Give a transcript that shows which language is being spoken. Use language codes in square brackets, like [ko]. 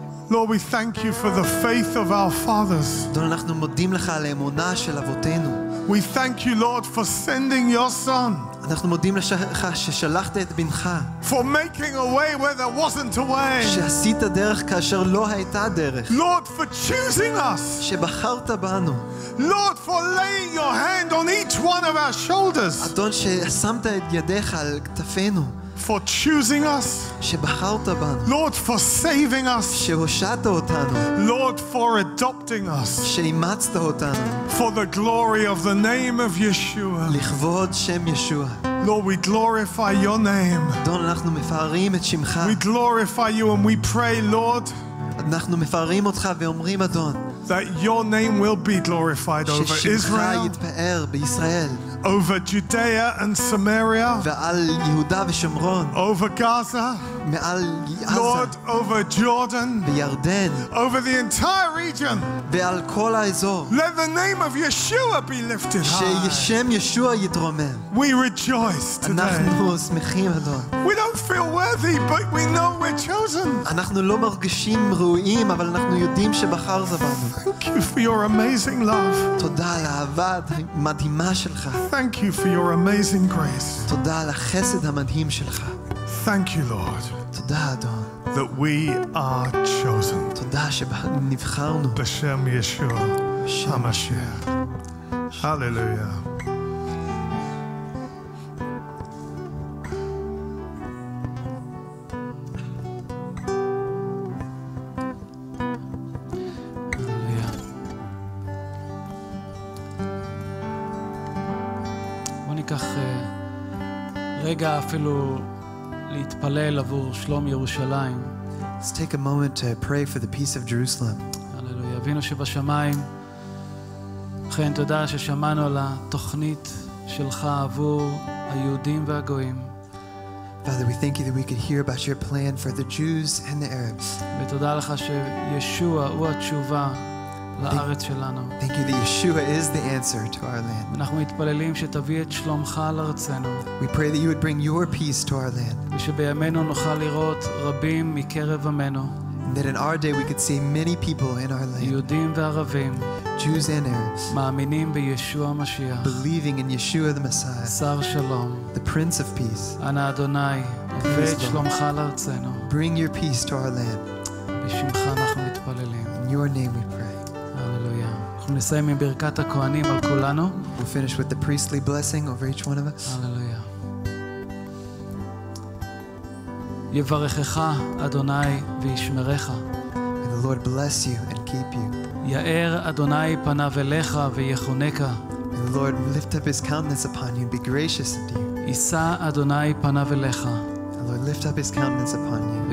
[en] Lord, we thank you for the faith of our fathers. [he] אדון, אנחנו מודים לך על האמונה של אבותינו. [en] We thank you, Lord, for sending your son. [he] אנחנו מודים לך ששלחת את בנך. [en] For making a way where there wasn't a way. [he] שעשית דרך כאשר לא הייתה דרך. [en] Lord, for choosing us. [he] שבחרת בנו. [en] Lord, for laying your hand on each one of our shoulders. [he] אדון, ששמת את ידך על כתפינו. [en] For choosing us. [he] שבחרת בנו. [en] Lord, for saving us. [he] שהושעת אותנו. [en] Lord, for adopting us. [he] שאימצת אותנו. [en] For the glory of the name of Yeshua. [he] לכבוד שם ישוע. [en] Lord, we glorify your name. [he] אדון, אנחנו מפארים את שמך. [en] We glorify you and we pray, Lord. [he] אנחנו מפארים אותך ואומרים אדון. [en] That your name will be glorified over Israel. [he] ששמך יתפאר בישראל. [en] Over Judea and Samaria. [he] ועל יהודה ושומרון. [en] Over Gaza. [he] מעל עזה. [en] Lord, over Jordan. [he] בירדן. [en] Over the entire region. [he] ועל כל האזור. [en] Let the name of Yeshua be lifted high. [he] ששם ישוע יתרומם. [en] We rejoice today. [he] אנחנו שמחים אדון. [en] We don't feel worthy, but we know we're chosen. [he] אנחנו לא מרגישים ראויים, אבל אנחנו יודעים שבחרת בנו. [en] Thank you for your amazing love. [he] תודה על האהבה המדהימה שלך. [en] Thank you for your amazing grace. [he] תודה על החסד המדהים שלך. [en] Thank you, Lord. [he] תודה, אדון. [en] That we are chosen. [he] תודה שנבחרנו. בשם ישוע המשיח. Hallelujah. רגע אפילו להתפלל עבור שלום ירושלים. [en] Let's take a moment to pray for the peace of Jerusalem. [he] הללויה, אבינו שבשמיים, אכן תודה ששמענו על התוכנית שלך עבור היהודים והגויים. [en] Father, we thank you that we could hear about your plan for the Jews and the Arabs. Thank you that Yeshua is the answer to our land. We pray that you would bring your peace to our land. And that in our day we could see many people in our land, Jews and Arabs, believing in Yeshua the Messiah, the Prince of Peace. Peace, bring your peace to our land. In your name we pray. We'll finish with the priestly blessing over each one of us. Hallelujah. [he] יברכך אדוני וישמרך. [en] May the Lord bless you and keep you. [he] יאר אדוני פניו אליך ויחונך. [en] May the Lord lift up his countenance upon you and be gracious unto you. [he] ישא אדוני פניו אליך. [en] May the Lord lift up his countenance upon you.